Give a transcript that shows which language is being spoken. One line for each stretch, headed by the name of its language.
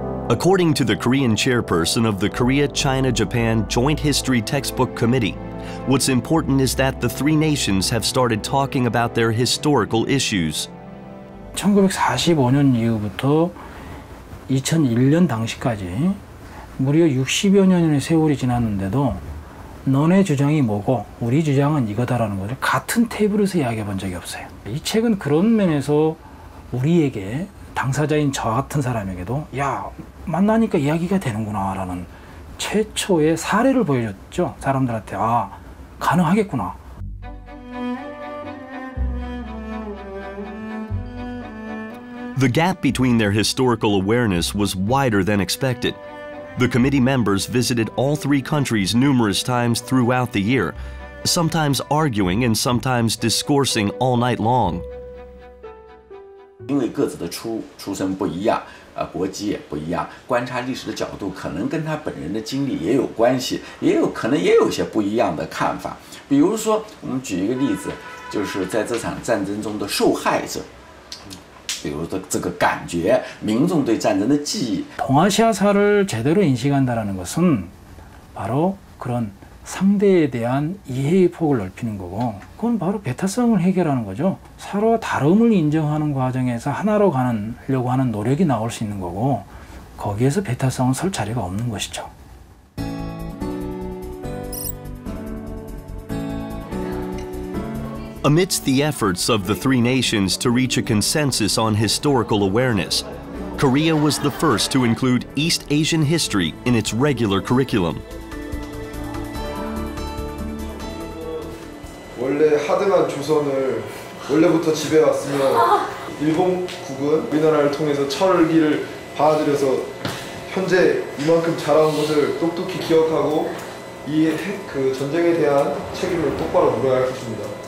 English: According to the Korean chairperson of the Korea-China-Japan Joint History Textbook Committee, what's important is that the three nations have started talking about their historical issues.
Korean: 1945년 이후부터 2001년 당시까지 무려 60여 년의 세월이 지났는데도 너네 주장이 뭐고 우리 주장은 이거다라는 것을 같은 테이블에서 이야기해 본 적이 없어요. 이 책은 그런 면에서 우리에게 당사자인 저 같은 사람에게도 야 만나니까 이야기가 되는구나라는 최초의 사례를 보여줬죠. 사람들한테 아 가능하겠구나.
English: The gap between their historical awareness was wider than expected. The committee members visited all three countries numerous times throughout the year, sometimes arguing and sometimes discoursing all night long.
Chinese: 因为各自的出身不一样，国籍也不一样，观察历史的角度可能跟他本人的经历也有关系，也有可能也有些不一样的看法。比如说，我们举一个例子，就是在这场战争中的受害者。
Korean: 동아시아사를 제대로 인식한다는 것은 바로 그런 상대에 대한 이해의 폭을 넓히는 거고 그건 바로 배타성을 해결하는 거죠. 서로 다름을 인정하는 과정에서 하나로 가려고 하는 노력이 나올 수 있는 거고 거기에서 배타성은 설 자리가 없는 것이죠.
English: Amidst the efforts of the three nations to reach a consensus on historical awareness, Korea was the first to include East Asian history in its regular curriculum.
Korean: 원래 하드만 조선을 원래부터 지배해왔으면 일본국은 우리나라를 통해서 철기를 받아들여서 현재 이만큼 자라온 것을 똑똑히 기억하고 이 그 전쟁에 대한 책임을 똑바로 물어야 할 것입니다.